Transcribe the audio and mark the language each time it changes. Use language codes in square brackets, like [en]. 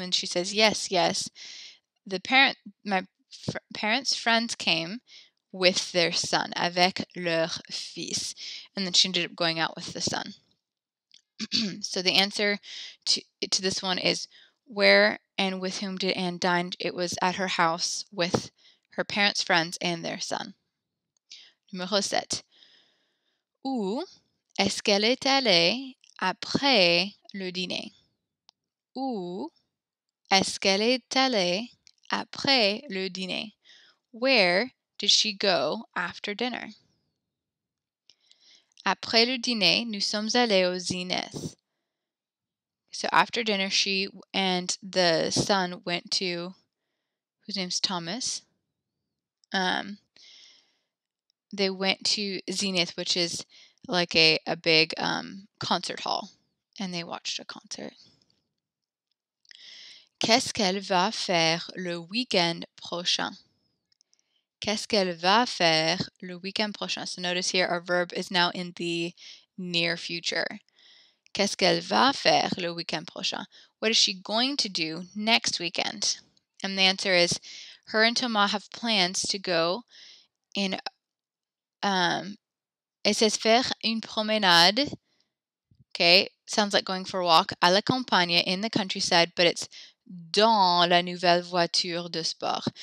[en] And she says, yes, yes. My parents' friends came with their son, [fr] avec leur fils. [en] And then she ended up going out with the son. So the answer to this one is where and with whom did Anne dine? It was at her house with her parents' friends and their son. [fr] Numéro 7. Où est-ce qu'elle est allée après le dîner? Où est-ce qu'elle est allée après le dîner? [en] Where did she go after dinner? [fr] Après le dîner, nous sommes allés au zénith. [en] So after dinner, she and the son went to, whose name's Thomas. They went to zénith, which is like a big concert hall, and they watched a concert. [fr] Qu'est-ce qu'elle va faire le week-end prochain? Qu'est-ce qu'elle va faire le week-end prochain? [en] So notice here, our verb is now in the near future. [fr] Qu'est-ce qu'elle va faire le week-end prochain? [en] What is she going to do next weekend? And the answer is, her and Thomas have plans to go in, it says [fr] faire une promenade. [en] Okay, sounds like going for a walk. [fr] À la campagne, [en] in the countryside, but it's [fr] dans la nouvelle voiture de sport.